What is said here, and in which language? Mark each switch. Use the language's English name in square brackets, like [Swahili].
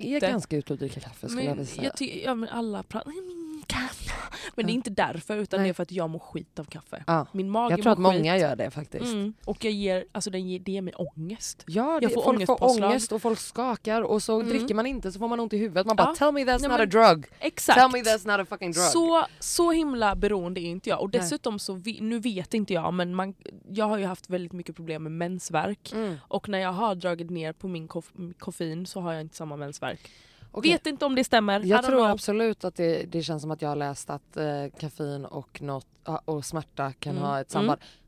[Swedish] Det är ganska ute att dricka kaffe, skulle men jag vilja säga. Ja, men alla pratar... Men det är inte därför, utan nej. Det är för att jag mår skit av kaffe. Ja. Min mage jag tror att skit. Många gör det faktiskt. Mm. Och jag ger, alltså den ger det mig ångest. Ja, det, jag får folk ångest får påslag. Ångest och folk skakar och så dricker man inte så får man ont i huvudet. Man bara, [English] tell me that's not a drug. [Swedish] Exakt. [English] Tell me that's not a fucking drug. [Swedish] Så himla beroende är inte jag. Och dessutom, nu vet inte jag, men jag har ju haft väldigt mycket problem med mensvärk. Mm. Och när jag har dragit ner på min koffein så har jag inte samma mensvärk. Okej. Vet inte om det stämmer. Jag tror absolut att det känns som att jag har läst att koffein och smärta kan ha ett samband.